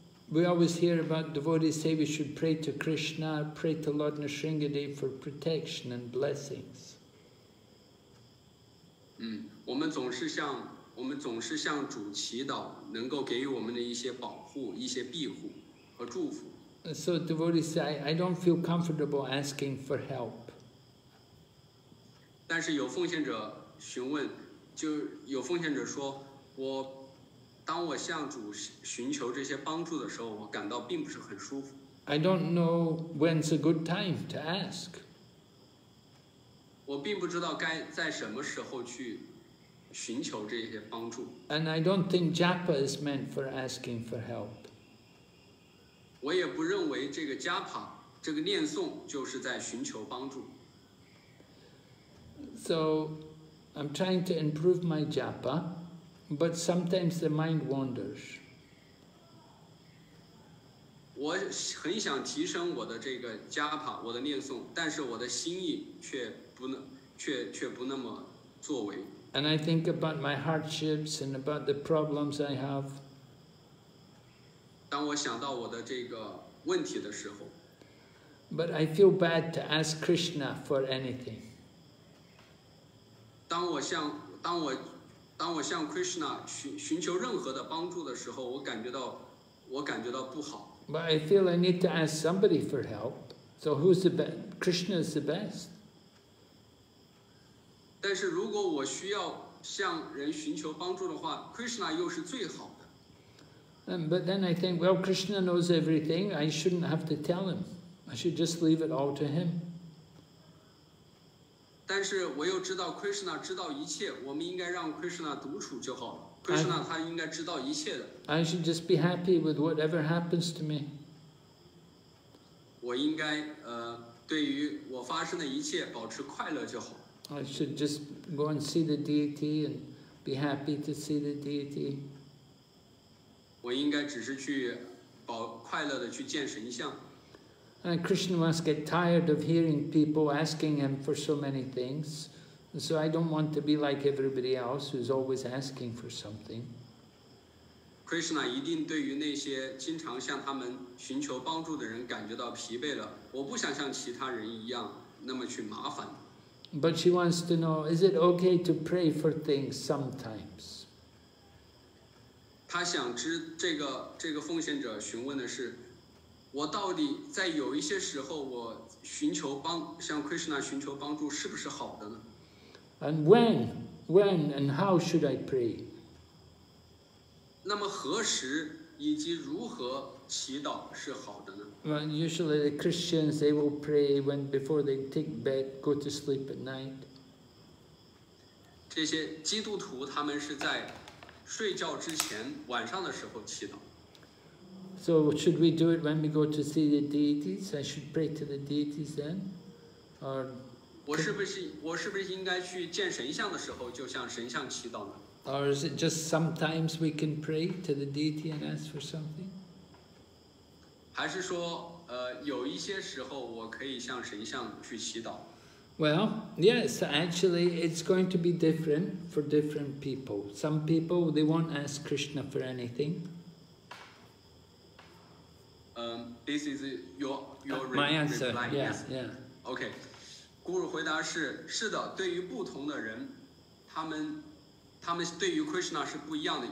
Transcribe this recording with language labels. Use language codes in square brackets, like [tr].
[en] We always hear about devotees say we should pray to Krishna, pray to Lord Nrisingadev for protection and blessings. [zh] 我们总是向主祈祷，能够给予我们的一些保护、一些庇护和祝福。 [en] So devotees say, I don't feel comfortable asking for help. [zh] 但是有奉献者询问，就有奉献者说，我。当我向主寻求这些帮助的时候，我感到并不是很舒服。 [en] I don't know when's a good time to ask. [zh] 我并不知道该在什么时候去寻求这些帮助。 [en] And I don't think japa is meant for asking for help. [zh] 我也不认为这个 japa 这个念诵就是在寻求帮助。 [en] So I'm trying to improve my japa. But sometimes the mind wanders. [zh] 我很想提升我的这个japa，我的念诵，但是我的心意却不那么作为。 [en] And I think about my hardships and about the problems I have. [zh] 当我想到我的这个问题的时候。 [en] But I feel bad to ask Krishna for anything. [zh] 当我向 Krishna 寻求任何的帮助的时候，我感觉到不好。 [en] But I feel I need to ask somebody for help. So who's the best? Krishna is the best. [zh] 但是如果我需要向人寻求帮助的话 ，Krishna 又是最好的。 [en] But then I think, well, Krishna knows everything. I shouldn't have to tell him. I should just leave it all to him. [zh] 但是我又知道 Krishna 知道一切，我们应该让 Krishna 独处就好了。 Krishna 他应该知道一切的。 [en] I should just be happy with whatever happens to me. [zh] 我应该对于我发生的一切保持快乐就好。 [en] I should just go and see the deity and be happy to see the deity. [zh] 我应该只是去快乐的去见神像。 [en] And Krishna must get tired of hearing people asking him for so many things. So I don't want to be like everybody else who's always asking for something. [zh] Krishna 一定对于那些经常向他们寻求帮助的人感觉到疲惫了。我不想像其他人一样那么去麻烦。 [en] But she wants to know, is it okay to pray for things sometimes? [zh] 她想知这个奉献者询问的是，我到底在有一些时候我寻求帮向 Krishna 寻求帮助是不是好的呢？ [en] And when and how should I pray? [zh] 那么何时以及如何祈祷是好的呢？ [en] Well, usually the Christians, they will pray when before they take bed, go to sleep at night. [zh] 这些基督徒他们是在睡觉之前晚上的时候祈祷。 [en] So should we do it when we go to see the deities? I should pray to the deities then? Or [zh] 我是不是应该去见神像的时候就向神像祈祷呢？ [en] Or is it just sometimes we can pray to the deity and ask for something? [zh] 还是说有一些时候我可以向神像去祈祷？ [en] Well, yes, actually it's going to be different for different people. Some people, they won't ask Krishna for anything. This is your my answer. Reply. Yeah. [zh] Okay. Guru 回答是的，对于不同的人，他们对于 Krishna 是不一样的。